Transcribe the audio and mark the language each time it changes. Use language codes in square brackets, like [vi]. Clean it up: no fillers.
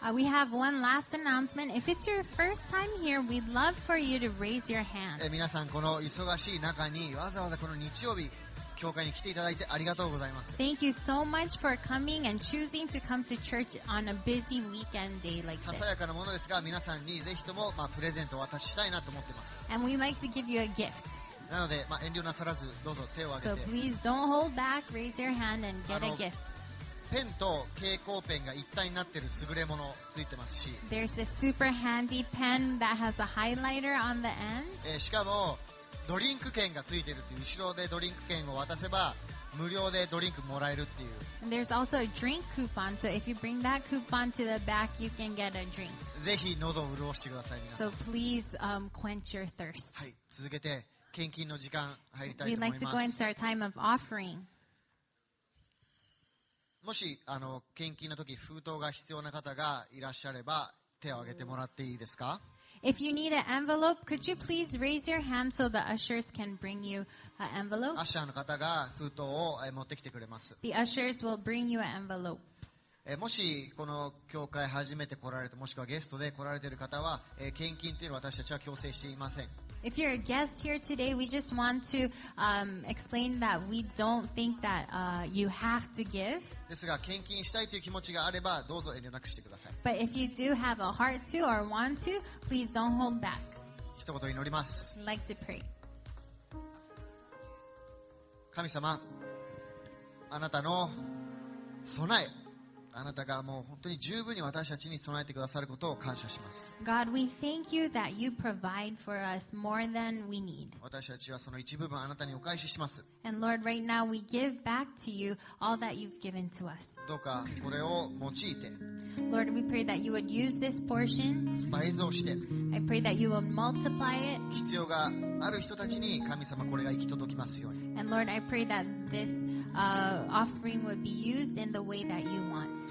[en] We have one last announcement. If it's your first time here, we'd love for you to raise your hand. [ja] 皆さんこの忙しい中にわざわざこの日曜日教会に来ていただいてありがとうございます。 [en] Thank you so much for coming and choosing to come to church on a busy weekend day like this. [ja] ささやかなものですが、皆さんにぜひともまあプレゼントを渡したいなと思ってます。 [en] And we'd like to give you a gift. [ja] なので、まあ、遠慮なさらずどうぞ手を挙げて。 [en] So please don't hold back. Raise your hand and get a gift. [ja] ペンと蛍光ペンが一体になっている優れものついてますし、 [en] There's a super handy pen that has a highlighter on the end. [ja] しかもドリンク券がついているという、後ろでドリンク券を渡せば無料でドリンクもらえるっていう。 [en] There's also a drink coupon, so if you bring that coupon to the back, you can get a drink. [ja] ぜひ喉を潤してください、皆さん。 [en] So please quench your thirst. [ja] はい、続けて献金の時間入りたいと思います。 [en] We'd like to go into our time of offering. [ja] もし献金の時封筒が必要な方がいらっしゃれば手を挙げてもらっていいですか？ [en] If you need an envelope, could you please raise your hand so the ushers can bring you an envelope? [ja] アッシャーの方が封筒を持ってきてくれます。 [en] The ushers will bring you an envelope. [ja] もしこの教会初めて来られて、もしくはゲストで来られている方は、献金というのは私たちは強制していません。 [en] If you're a guest here today, we just want to explain that we don't think that you have to give. [ja] ですが、献金したいという気持ちがあれば、どうぞ遠慮なくしてください。 [en] But if you do have a heart to or want to, please don't hold back. [ja] 一言祈ります。 [en] I'd like to pray. [ja] 神様、あなたの備え、あなたがもう本当に十分に私たちに備えてくださることを感謝します。 [en] God, we thank you that you provide for us more than we need. [ja] 私たちはその一部分あなたにお返しします。 [en] And Lord, right now we give back to you all that you've given to us. [ja] どうかこれを用いて。 [en] Lord, we pray that you would use this portion. [ja] 倍増して。 [en] I pray that you will multiply it. [ja] 必要がある人たちに神様これが行き届きますように。 [en] And Lord, I pray that thisoffering would be used in the way that you want.